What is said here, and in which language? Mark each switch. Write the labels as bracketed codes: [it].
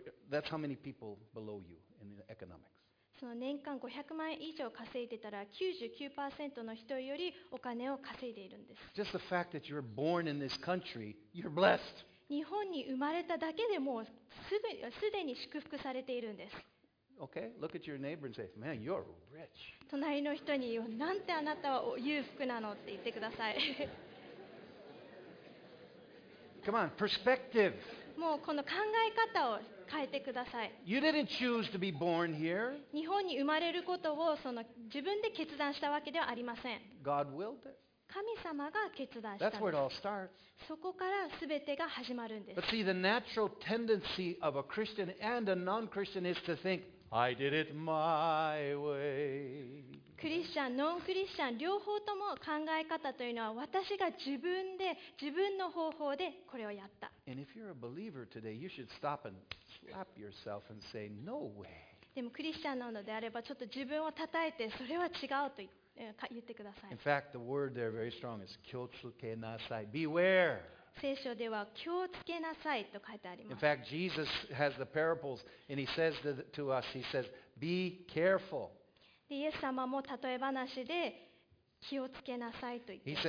[en] That's how many people below you in economics. [ja] その年間500万円以上稼いでたら 99% の人よりお金を稼いでいるんです。 [en] Just the fact that you're born in this country, you're blessed. [ja] 日本に生まれただけでもうすでに祝福されているんです。 [en] Okay, look at your neighbor and say, man, you're rich. [ja] 隣の人に、なんてあなたは裕福なのって言ってください。 [en] Come on, perspective. [ja] もうこの考え方を変えてください。 [en] You didn't choose to be born here. [ja] 日本に生まれることをその自分で決断したわけではありません。 [en] God willed it. [ja] 神様が決断した。そこから全てが始まるんです。 [en] But see, the natural tendency of a Christian and a non-Christian is to think, I did it my way. [ja] クリスチャン、ノンクリスチャン、両方とも考え方というのは、私が自分の方法でこれをやった。 [en] And if you're a believer today, you should stop and slap yourself and say, no way. [ja] でもクリスチャンなのであれば、ちょっと自分を叩いて、それは違うと言って。 [en] In fact, the word there very strong is [ja] 気をつけなさい。 [en] Beware. [ja] 聖書では気をつけなさいと書いてあります。 [en] In fact, Jesus has the parables and he says to us, he says, be careful. [ja] で、イエス様も例え話で気をつけなさいと言っています